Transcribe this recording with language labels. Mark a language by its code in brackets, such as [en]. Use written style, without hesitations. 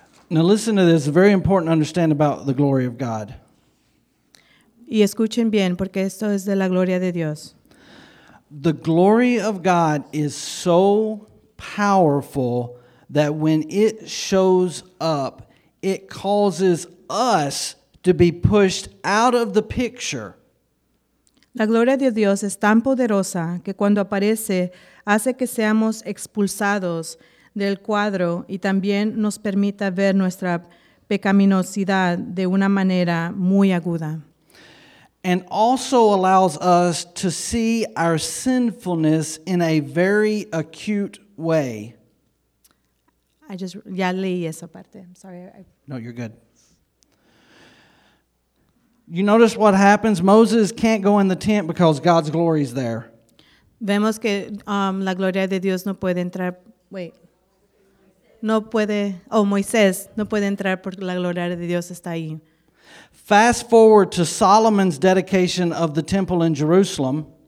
[en] Now listen to this, very important to understand about the glory of God. [es] Y escuchen bien, porque esto es de la gloria de Dios. [en] The glory of God is so powerful that when it shows up, it causes us to be pushed out of the picture. [es] La gloria de Dios es tan poderosa que cuando aparece, hace que seamos expulsados del cuadro y también nos permita ver nuestra pecaminosidad de una manera muy aguda. [en] And also allows us to see our sinfulness in a very acute way. [es] Ya leí esa parte. [en] I'm sorry. No, you're good. You notice what happens? Moses can't go in the tent because God's glory is there. [es] Vemos que la gloria de Dios no puede entrar. Wait. No puede. Oh, Moisés no puede entrar porque la gloria de Dios está ahí. [en] Fast forward to Solomon's dedication of the temple in Jerusalem.